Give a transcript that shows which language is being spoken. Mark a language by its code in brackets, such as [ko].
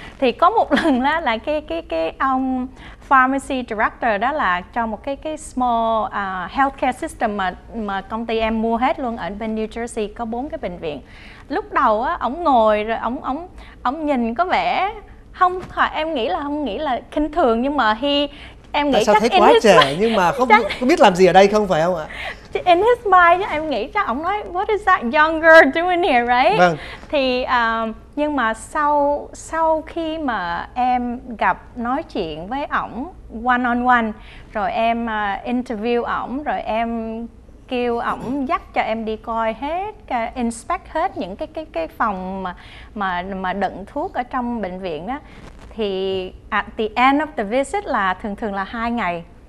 [vi] Thì có một lần đó là cái ông pharmacy director đó là trong một cái [en] small healthcare system [vi] mà công ty em mua hết luôn ở bên New Jersey, có 4 cái bệnh viện. Lúc đầu á, ông ngồi rồi ông nhìn có vẻ không nghĩ là khinh thường, nhưng mà em nghĩ tại sao chắc thấy quá trẻ nhưng mà không biết làm gì ở đây không phải không ạ? [en] In his mind, [vi] em nghĩ cho ông nói [en] what is that young girl doing here, right? [vi] Vâng. Thì nhưng mà sau khi mà em gặp nói chuyện với ổng [en] one on one, [vi] rồi em interview ổng, rồi em kêu ổng dắt cho em đi coi hết, inspect hết những cái phòng mà đựng thuốc ở trong bệnh viện đó, thì [en] at the end of the visit [vi] là thường thường là 2 ngày,